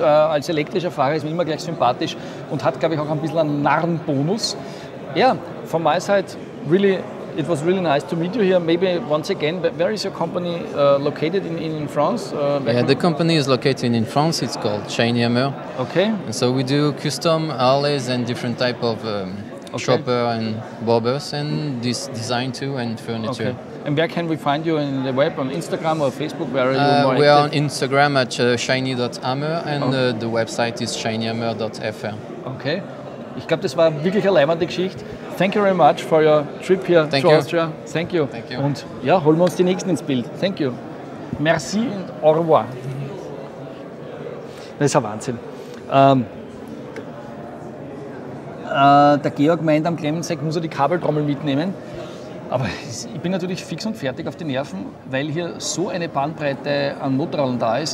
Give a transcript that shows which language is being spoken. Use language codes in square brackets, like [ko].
[de] Als elektrischer Fahrer ist man immer gleich sympathisch und hat, glaube ich, auch ein bisschen einen Narrenbonus. [en] Yeah, from my side, really. It was really nice to meet you here. Maybe once again, but where is your company located in France? The company is located in France. It's called Chain Yammer. Okay. And so we do custom alleys and different type of chopper and bobbers and this design too and furniture. Okay. And where can we find you on the web, on Instagram or Facebook? Where are you more active? We are on Instagram at shiny.hammer and the website is shinyhammer.fr. Okay. [de] Ich glaube, das war wirklich eine leibende Geschichte. [en] Thank you very much for your trip here to Austria. Thank you. Thank you. [de] Und ja, holen wir uns die nächsten ins Bild. [en] Thank you. [fr] Merci [de] und [fr] au revoir. [de] Das ist ein Wahnsinn. Der Georg meint, am Glemseck muss er die Kabeltrommel mitnehmen. Aber ich bin natürlich fix und fertig auf die Nerven, weil hier so eine Bandbreite an Motorrädern da ist.